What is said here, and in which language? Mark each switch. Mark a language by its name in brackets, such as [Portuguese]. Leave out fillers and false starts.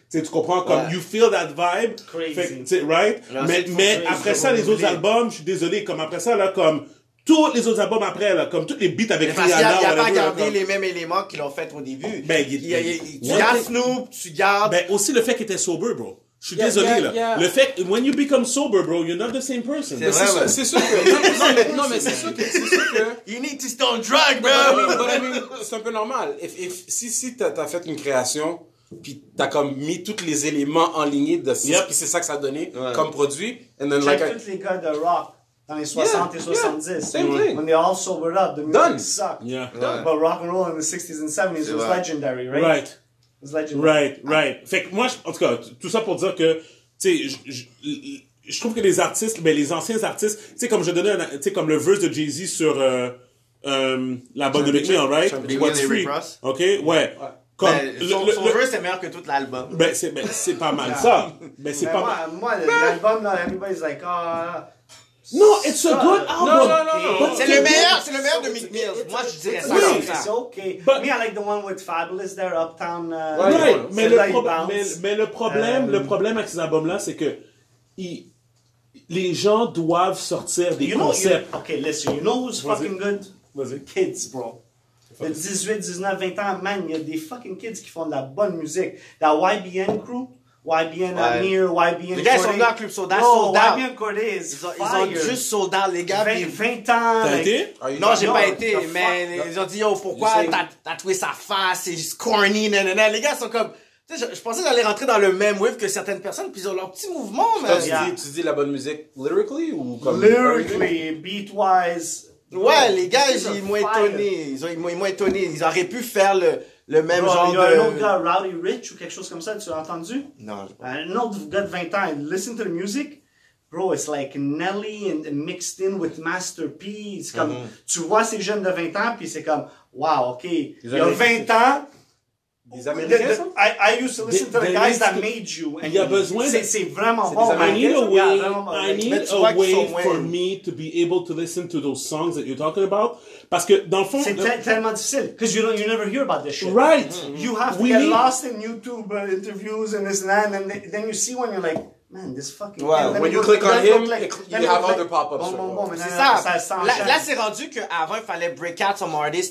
[French] T'sais, tu comprends, comme, [English] you feel that vibe. Crazy. Right? [French] Là, mais crazy, après ça, les autres albums, je suis désolé, comme après ça, là, comme, tous les autres albums après, là, comme toutes les beats avec Rihanna. Il n'y a pas gardé comme... les mêmes éléments qu'ils ont fait au début. Ben, tu gardes Snoop, tu gardes. Ben, aussi le fait qu'il était sober, bro. Je suis désolé, là. Le fait, [English] when you become sober, bro, you're not the same person. [French] C'est vrai, ouais. C'est sûr que... Non, mais c'est sûr que... [English] You need to stay on drug, bro! [French] C'est un peu normal. Si t'as fait une création, puis t'as comme mis tous les éléments en ligne de ce puis c'est ça que ça a donné comme produit, [English] and then like... [French] Check tous les gars de rock dans les 60 et 70. [English] Same thing. When they all sobered up, the music sucked. Yeah. Right. But rock and roll in the 60s and 70s was legendary, right? Right. Legendary. Right, right. [French] Fait que moi, en tout cas, tout ça pour dire que, tu sais, je trouve que les artistes, mais les anciens artistes, tu sais, comme je donnais, tu sais, comme le verse de Jay-Z sur la bonne de McMillan, right? [English] What's free? [French] OK? Ouais. Comme, son verse est meilleur que tout l'album. Ben, c'est pas mal ça. Ben, c'est pas mal. Moi, l'album, [English] everybody's like, ah... No, it's a good album. No, no, no, no. [French] C'est le meilleur de Meek Mill. Moi, je dirais ça comme ça. [English] It's okay. But, me, I like the one with Fabulous there, Uptown. [French] Mais le problème avec ces albums-là, c'est que les gens doivent sortir des concepts. [English] Okay, listen, you know who's fucking good? [French] Vas-y. [English] Kids, bro. [French] De 18, 19, 20 ans, man, il y a des fucking kids qui font de la bonne musique. La YBN crew. YBN Amir, YBN Cordae. Les gars sont dans Club Soda, sold out. [English] YBN Cordae is fire. [French] Ils ont juste sold out, les gars. 20 ans. T'as été? Non, j'ai pas été, mais ils ont dit, yo, pourquoi t'as tatoué sa face, c'est juste corny, nanana. Les gars sont comme... Tu sais, je pensais d'aller rentrer dans le même wave que certaines personnes, puis ils ont leur petit mouvement, mais... Tu dis la bonne musique lyrically ou comme... [English] Lyrically, beat-wise. [French] Ouais, les gars, ils m'ont étonné. Ils auraient pu faire le... Le même genre de... Il y a un autre gars, Rowdy Rich, ou quelque chose comme ça, tu as entendu? Non. Un autre gars de 20 ans, [English] listen to the music, bro, it's like Nelly and mixed in with Master P. [French] It's comme, tu vois ces jeunes de 20 ans, puis c'est comme, wow, OK. Il y a 20 ans... Des Américains, ça? [English] I used to listen to the guys that made you. [French] Il y a besoin... C'est vraiment bon. [English] I need a way... I need a way for me to be able to listen to those songs that you're talking about. [French] Parce que dans le fond, c'est tellement difficile. [English] Because you never hear about this shit. Right. You have to get lost in YouTube interviews and this and that. And then you see when you're like, man, this fucking. Well, when you click on him, like, you have other pop-ups. [French] C'est ça. Là, c'est rendu qu'avant, il fallait [English] break out some artists.